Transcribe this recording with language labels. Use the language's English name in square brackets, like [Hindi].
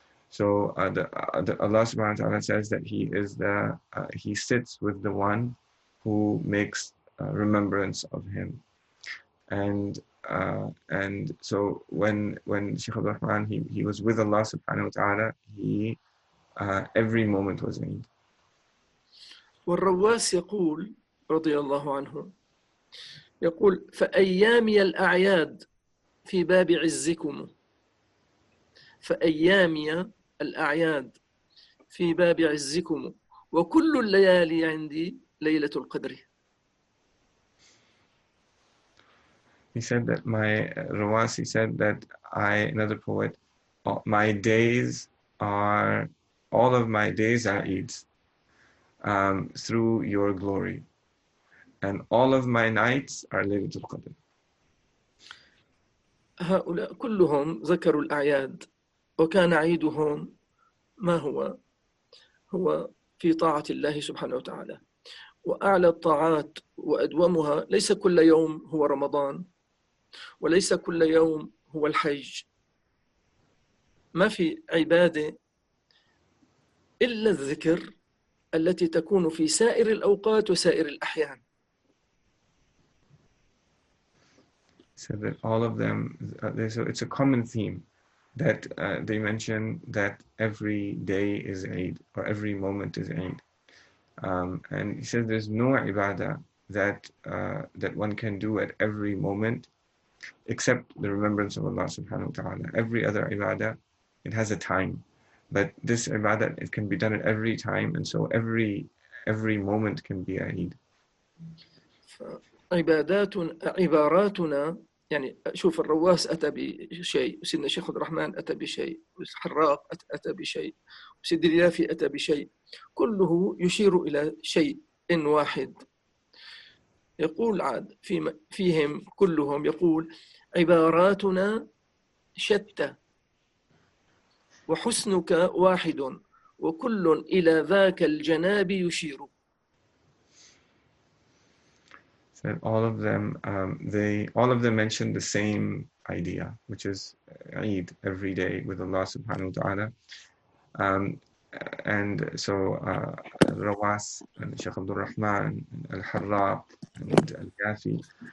[English] So the Allah subhanahu wa ta'ala says that he is the, he sits with the one who makes remembrance of him. And so when Shaykh Abdul Rahman, he was with Allah subhanahu wa ta'ala, he every moment was Eid. [Arabic] والرواس يقول رضي الله عنه يقول فأيامي الأعياد في باب عزكم، فأيامي الأعياد في باب عزكم، وكل الليالي عندي ليلة القدر. [English] He said that my Rawas, he said that I, another poet, my days are, all of my days are Eids through your glory. And all of my nights are Laylatul Qadr. [Arabic] هؤلاء كلهم ذكروا الأعياد وكان عيدهم ما هو؟ هو في طاعة الله سبحانه وتعالى. وأعلى الطاعات وأدومها ليس كل يوم هو رمضان. وليس كل يوم هو الحج. ما في عبادة إلا الذكر التي تكون في سائر الأوقات وسائر الأحيان. [English] So that all of them, so it's a common theme that they mention that every day is Eid or every moment is Eid. And he says there's no ibadah that that one can do at every moment except the remembrance of Allah subhanahu wa ta'ala. Every other ibadah, it has a time. But this ibadah, it can be done at every time, and so every moment can be Eid. [Arabic] عباداتنا عباراتنا يعني شوف الرواس أتى بشيء، وسيدنا شيخ الرحمن أتى بشيء، والحراق أتى بشيء، وسيد اليافي أتى بشيء، كله يشير إلى شيء إن واحد. يقول عاد فيهم كلهم يقول عباراتنا شتى وحسنك واحد وكل إلى ذاك الجناب يشير. [English] That all of them, all of them mention the same idea, which is Eid every day with Allah subhanahu wa ta'ala. And so Rawas and Shaykh Abdul Rahman and Al-Harraq and Al-Ghafi.